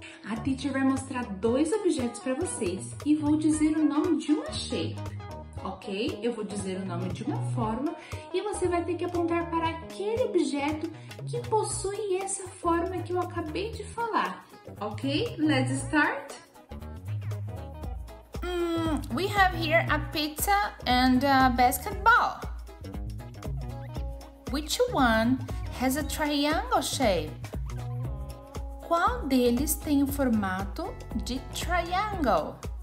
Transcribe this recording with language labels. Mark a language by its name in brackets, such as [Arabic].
[Portuguese] A teacher vai mostrar dois objetos para vocês e vou dizer o nome de uma shape. Ok? Eu vou dizer o nome de uma forma e você vai ter que apontar para aquele objeto que possui essa forma que eu acabei de falar. [English] Ok? Let's start! We have here a pizza and a basketball. Which one has a triangle shape? [Portuguese] Qual deles tem o formato de triangle?